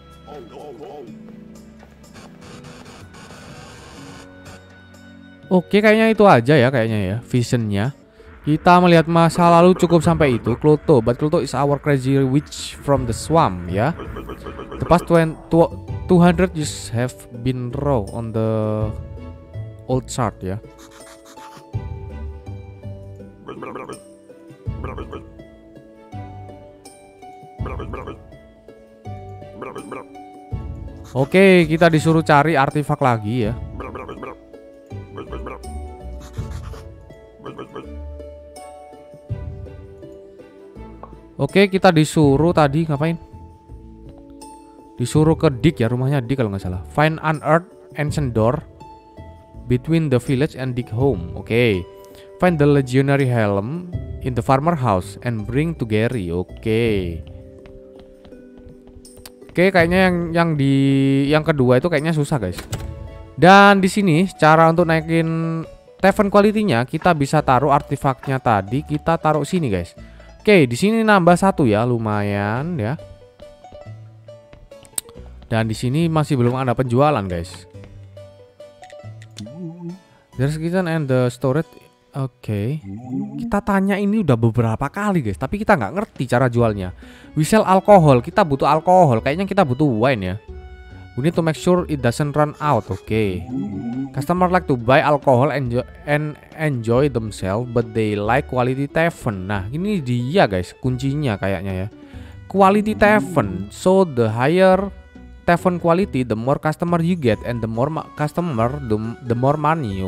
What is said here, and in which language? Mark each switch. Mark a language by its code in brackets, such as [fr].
[en] Oh, no, no. [id] Oke, kayaknya itu aja ya, kayaknya ya visionnya. Kita melihat masa lalu cukup sampai itu, Cluto. [en] But Cluto is our crazy witch from the swamp, ya. The past 200 years have been raw on the old chart, ya. [id] Oke, kita disuruh cari artifak lagi ya. Oke, kita disuruh tadi ngapain? Disuruh ke Dick ya, rumahnya Dick kalau nggak salah. [en] Find unearthed ancient door between the village and Dick home. Oke. Find the legendary helm in the farmer house and bring to Gary. [id] Oke. Oke, kayaknya yang kedua itu kayaknya susah, guys. Dan di sini cara untuk naikin tavern quality-nya, kita bisa taruh artifaknya tadi, kita taruh sini, guys. Oke, di sini nambah satu ya, lumayan ya. Dan di sini masih belum ada penjualan, guys. [en] There's kitchen and the storage. Oke. [id] Kita tanya ini udah beberapa kali, guys, tapi kita nggak ngerti cara jualnya. [en] We sell alcohol. [id] Kita butuh alkohol. Kayaknya kita butuh wine ya. [en] We need to make sure it doesn't run out. Oke. Customer like to buy alcohol and enjoy themselves, but they like quality tavern. [id] Nah, ini dia, guys, kuncinya kayaknya ya. [en] Quality tavern. So the higher tavern quality, the more customer you get, and the more customer, the more money.